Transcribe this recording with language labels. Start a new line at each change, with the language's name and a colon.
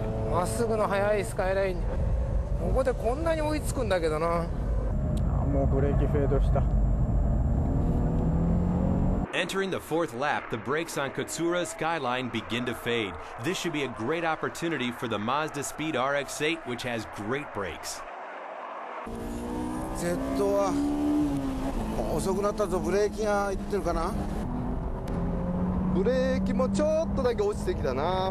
Japanese: まっすぐの速いスカイライン。ここでこんなに追いつくんだけどな。あ、もうブレーキフェードした。
English: Entering the fourth lap, the brakes on Katsura's Skyline begin to fade. This should be a great opportunity for the Mazda Speed RX-8, which has great brakes.
Japanese: Z は遅くなったぞ。ブレーキがいってるかな。ブレーキもちょっとだけ落ちてきたな。